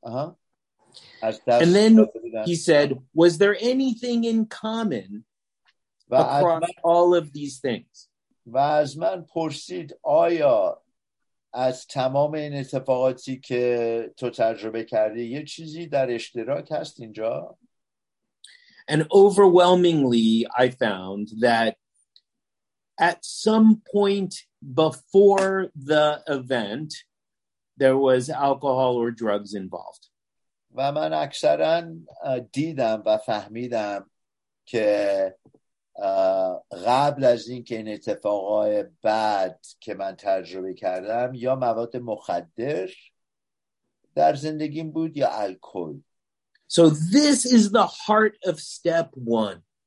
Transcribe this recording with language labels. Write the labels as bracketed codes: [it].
[fa] از دست [en] And then he said, was there anything in common across all of these things? [fa] و از من پرسید آیا از تمام این اتفاقاتی که تو تجربه کردی یه چیزی در اشتراک هست اینجا؟ [en] And overwhelmingly, I found that at some point before the event, there was alcohol or drugs involved. [fa] و من اکثرا دیدم و فهمیدم که قبل از این که این اتفاقای بد که من تجربه کردم یا مواد مخدر در زندگیم بود یا الکل. [en] So this is the heart of step one.